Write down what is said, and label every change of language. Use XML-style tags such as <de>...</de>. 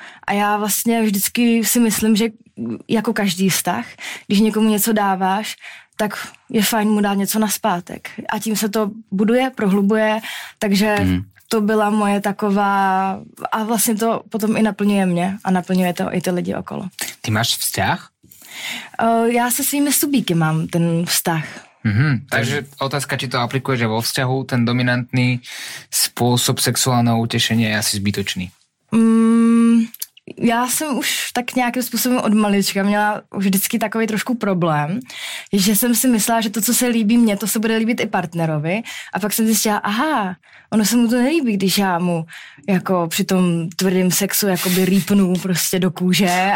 <cs>A já vlastně vždycky si myslím, že jako každý vztah, když někomu něco dáváš, tak je fajn mu dát něco nazpátek. A tím se to buduje, prohlubuje, takže to byla moje taková... A vlastně to potom i naplňuje mě a naplňuje to i ty lidi okolo. Ty máš vztah? Já se svými subíky mám ten vztah.</cs> <sk>Takže otázka, či to aplikuje, že vo vzťahu ten dominantný spôsob sexuálneho utešenia je asi zbytočný.</sk> <cs>Já jsem už tak nějakým způsobem od malička měla už vždycky takový trošku problém, že jsem si myslela, že to, co se líbí mně, to se bude líbit i partnerovi. A pak jsem zjistila, aha, ono se mu to nelíbí, když já mu jako při tom tvrdém sexu jakoby rýpnu prostě do kůže.</cs>